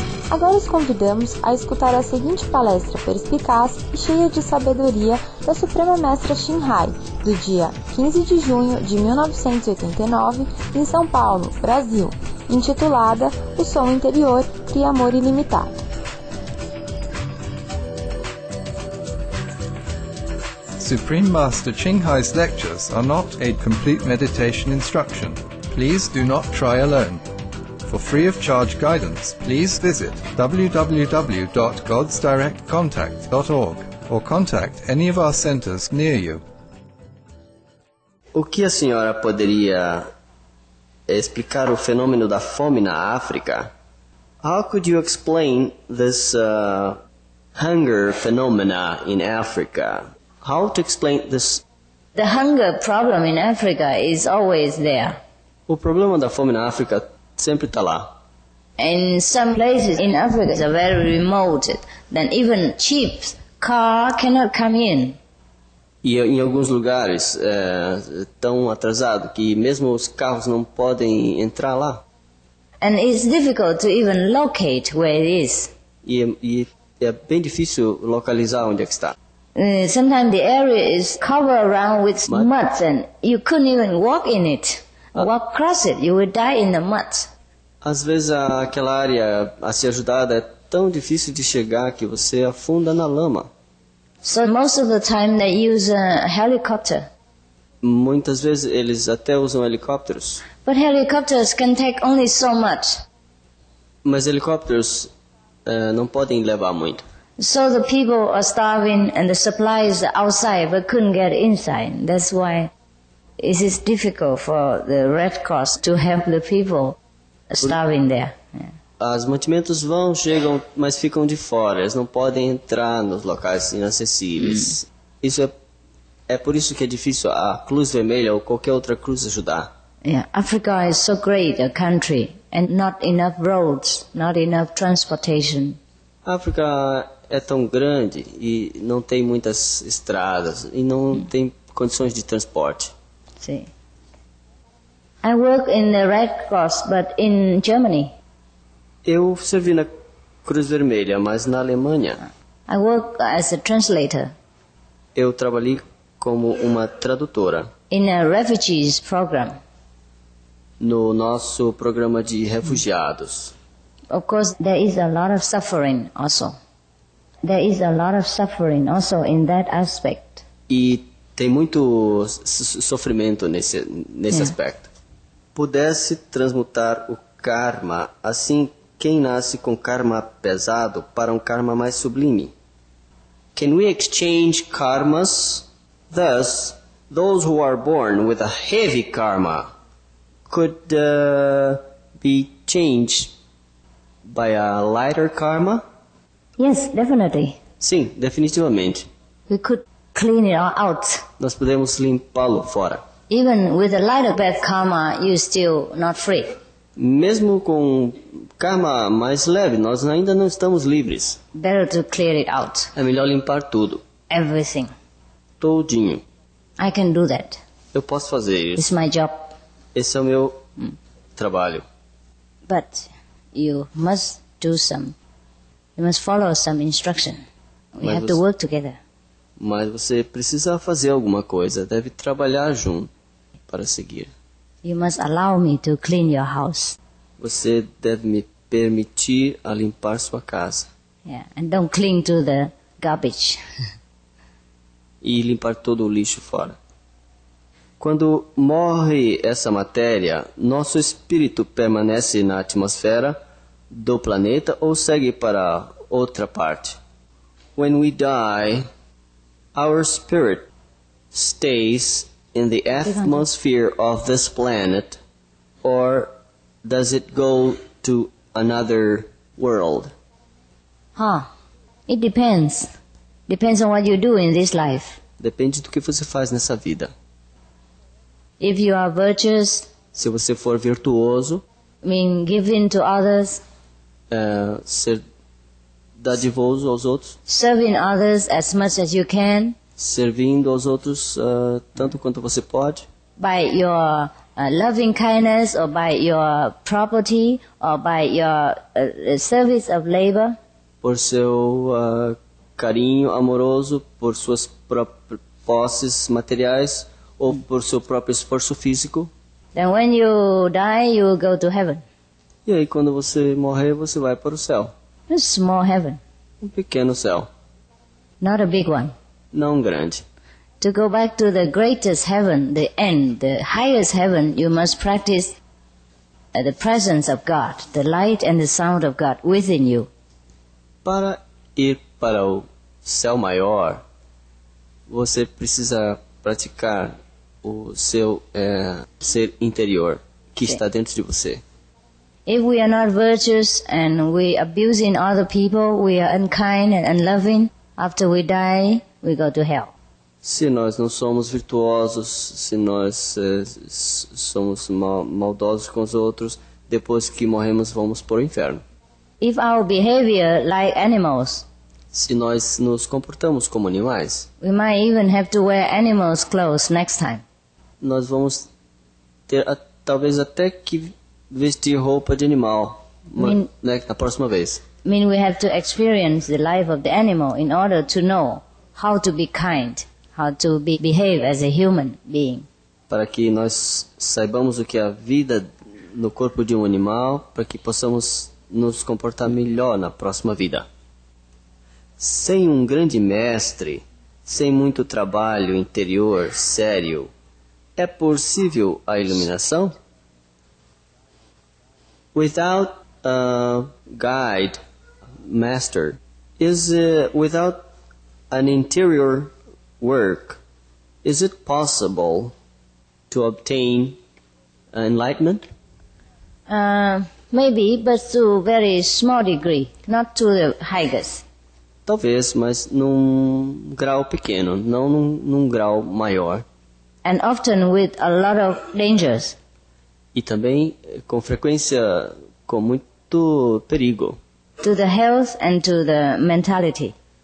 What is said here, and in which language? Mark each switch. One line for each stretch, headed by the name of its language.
Portuguese: Agora os convidamos a escutar a seguinte palestra perspicaz e cheia de sabedoria da Suprema Mestra Xinhai, do dia 15 de junho de 1989, em São Paulo, Brasil, intitulada O Som Interior Cria Amor Ilimitado.
English: Supreme Master Xinhai's lectures are not a complete meditation instruction. Please do not try alone. For free of charge guidance, please visit www.godsdirectcontact.org or contact any of our centers near you.
Portuguese: O que a senhora poderia explicar o fenômeno da fome na África?
English: How could you explain this hunger phenomena in Africa? How to explain this? The hunger problem in Africa is always there.
Portuguese: O problema da fome na África sempre está lá.
English: In some places in Africa are very remote, then even cheap car cannot come in.
Portuguese: E em alguns lugares é tão atrasado que mesmo os carros não podem entrar lá.
English: And it's difficult to even locate where it is.
Portuguese: E é bem difícil localizar onde é que está.
English: Sometimes the area is covered around with mud, and you couldn't even walk in it. Walk across it, you would die in the mud.
Portuguese: Às vezes aquela área a ser ajudada é tão difícil de chegar que você afunda na lama.
English: So most of the time they use a helicopter.
Portuguese: Muitas vezes eles até usam helicópteros.
English: But helicopters can take only so much.
Portuguese: Mas helicópteros não podem levar muito.
English: So the people are starving and the supplies are outside but couldn't get inside. That's why it is difficult for the Red Cross to help the people starving there.
Portuguese: As mantimentos vão, chegam, mas ficam de fora. Eles não podem entrar nos locais inacessíveis. Isso é por isso que é difícil a Cruz Vermelha ou qualquer outra cruz ajudar.
English: Yeah, Africa is so great a country and not enough roads, not enough transportation.
Portuguese: África é tão grande e não tem muitas estradas e não tem condições de transporte.
English: See. I work in the Red Cross, but in Germany.
Portuguese: Eu servi na Cruz Vermelha, mas na Alemanha.
English: I work as a translator.
Portuguese: Eu trabalhei como uma tradutora.
English: In a refugees program.
Portuguese: No nosso programa de refugiados.
English: Of course, there is a lot of suffering also. There is a lot of suffering also in that aspect.
Portuguese: E tem muito sofrimento nesse aspecto. Pudesse transmutar o karma, assim quem nasce com karma pesado para um karma mais sublime?
English: Can we exchange karmas? Thus, those who are born with a heavy karma could be changed by a lighter karma? Yes, definitely.
Portuguese: Sim, definitivamente.
English: We could clean it all out.
Portuguese: Nós podemos limpá-lo fora.
English: Even with a lighter bad karma, you're still not free.
Portuguese: Mesmo com karma mais leve, nós ainda não estamos livres.
English: Better to clear it out.
Portuguese: É melhor limpar tudo.
English: Everything.
Portuguese: Todinho.
English: I can do that.
Portuguese: Eu posso fazer isso.
English: It's my job.
Portuguese: Esse é o meu trabalho.
English: But you must do some. You must follow some instruction. We have to work together.
Portuguese: Mas você precisa fazer alguma coisa. Deve trabalhar junto para seguir.
English: You must allow me to clean your house.
Portuguese: Você deve me permitir a limpar sua casa.
English: Yeah, and don't cling to the garbage.
Portuguese: E limpar todo o lixo fora. Quando morre essa matéria, nosso espírito permanece na atmosfera do planeta ou segue para outra parte?
English: When we die, our spirit stays in the atmosphere of this planet, or does it go to another world? Huh. It depends. Depends on what you do in this life.
Portuguese: Depende do que você faz nessa vida.
English: If you are virtuous,
Portuguese: se você for virtuoso,
English: mean giving to others,
Portuguese: ser dadivoso aos outros,
English: serving others as much as you can,
Portuguese: servindo aos outros tanto quanto você pode.
English: By your loving kindness, or by your property, or by your service of labor.
Portuguese: Por seu carinho amoroso, por suas próprias posses materiais, ou por seu próprio esforço físico.
English: Then when you die, you will go to heaven.
Portuguese: E aí quando você morrer, você vai para o céu.
English: A small heaven.
Portuguese: Um pequeno céu.
English: Not a big one.
Portuguese: Não grande.
English: To go back to the greatest heaven, the end, the highest heaven, you must practice the presence of God, the light and the sound of God within you.
Portuguese: Para ir para o céu maior, você precisa praticar o seu ser interior que está dentro de você.
English: If we are not virtuous and we abusing other people, we are unkind and unloving, after we die, we go to hell.
Portuguese: Se nós não somos virtuosos, se nós somos maldosos com os outros, depois que morremos, vamos para o inferno.
English: If our behavior like animals,
Portuguese: se nós nos comportamos como animais,
English: we might even have to wear animals' clothes next time.
Portuguese: Nós vamos ter talvez até que vestir roupa de animal na próxima vez.
English: Mean we have to experience the life of the animal in order to know how to be kind, how to behave as a human being.
Portuguese: Para que nós saibamos o que é a vida no corpo de um animal, para que possamos nos comportar melhor na próxima vida. Sem um grande mestre, sem muito trabalho interior sério, é possível a iluminação?
English: Without a guide, master, is without an interior work, is it possible to obtain enlightenment? Maybe, but to a very small degree, not to the highest.
Portuguese: Talvez, mas num grau pequeno, não num grau maior.
English: And often with a lot of dangers.
Portuguese: E também com frequência com muito perigo.
English: To the health and to the mentality.